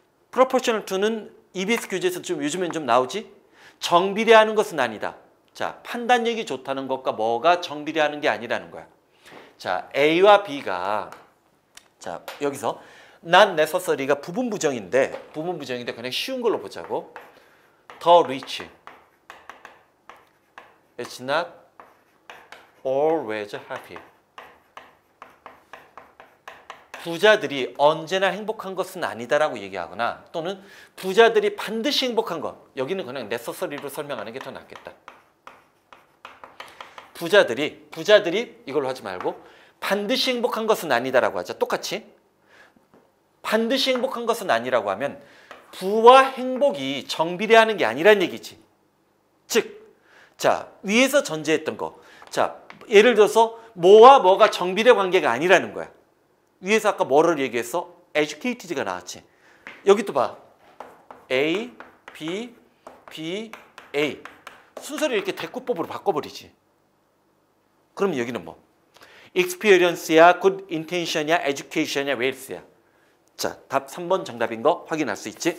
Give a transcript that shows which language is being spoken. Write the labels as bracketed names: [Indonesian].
[Korean] proportional to는 EBS 교재에서 좀 요즘엔 좀 나오지? 정비례하는 것은 아니다. 자, 판단력이 좋다는 것과 뭐가 정비례하는 게 아니라는 거야. 자, A와 B가 자, 여기서 [English] not necessary [Korean] 가 부분 부정인데 그냥 쉬운 걸로 보자고. [English] The rich is not always happy. [Korean] 부자들이 언제나 행복한 것은 아니다라고 얘기하거나 또는 부자들이 반드시 행복한 것. 여기는 그냥 necessary로 설명하는 게 더 낫겠다. 부자들이 이걸로 하지 말고 반드시 행복한 것은 아니다라고 하자. 똑같이. 반드시 행복한 것은 아니라고 하면 부와 행복이 정비례하는 게 아니란 얘기지. 즉, 자 위에서 전제했던 거. 자 예를 들어서 뭐와 뭐가 정비례 관계가 아니라는 거야. 위에서 아까 뭐를 얘기했어? educated가 나왔지. 여기 또 봐. A, B, B, A. 순서를 이렇게 대꾸법으로 바꿔버리지. 그럼 여기는 뭐? [English] experience야, good intention야, education야, wealth야. [Korean] 자, 답 3번 정답인 거 확인할 수 있지?